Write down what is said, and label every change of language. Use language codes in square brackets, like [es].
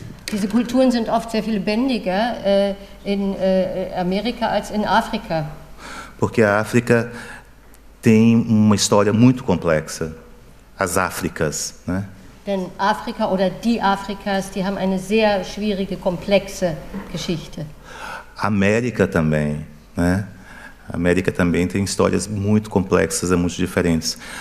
[de] Diese Kulturen sind oft sehr viel lebendiger in Amerika als in Afrika. [pt] Porque a África tem uma história muito complexa, as Áfricas, né? [de] Denn Afrika oder die Afrikas, die haben eine sehr schwierige, komplexe Geschichte. [pt] América também, né? A América também tem histórias muito complexas, muito diferentes.